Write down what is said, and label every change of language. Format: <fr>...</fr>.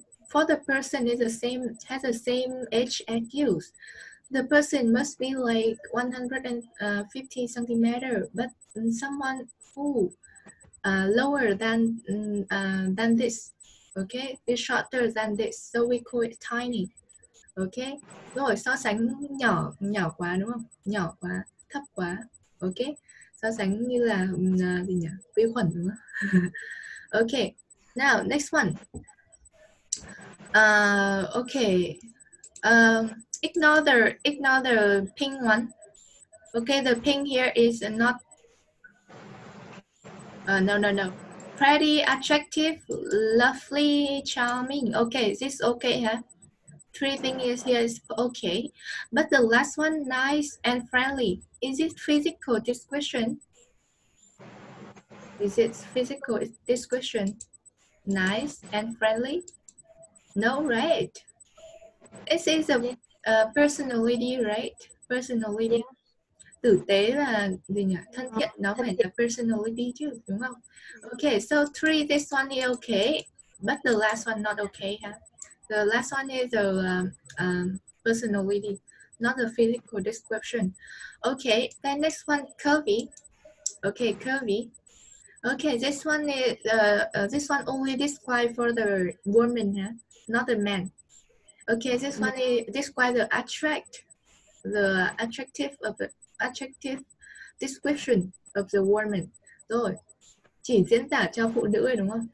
<en>For the person is the same, has the same age as you. The person must be like 150 centimeter, but someone who lower than this. Okay, it's shorter than this, so we call it tiny.</en> <vi>Okay, rồi so sánh nhỏ quá đúng không? Nhỏ quá, thấp quá. Okay, so sánh như là gì nhỉ? Vi khuẩn đúng không? Okay,</vi> <en>now next one. Okay. Ignore the pink one. Okay, the pink here is not. No. Pretty, attractive, lovely, charming. Okay, is this okay, huh? Treating is here is okay, but the last one, nice and friendly. Is it physical description? Is it physical description? Nice and friendly? No, right? It is a personality, right? Personality.</en> <vi>Tử tế là gì nhỉ? Thân thiện, nó phải là personality chứ, đúng không?</vi> <en>Okay, so three, this one is okay, but the last one not okay, huh? The last one is the personality, not the physical description. Okay, then next one, curvy. Okay, curvy. Okay, this one is this one only describe for the woman, huh? Not the man. Okay, this one is describe the attractive description of the woman.</en> <vi>Rồi, chỉ diễn tả cho phụ nữ đúng không?</vi>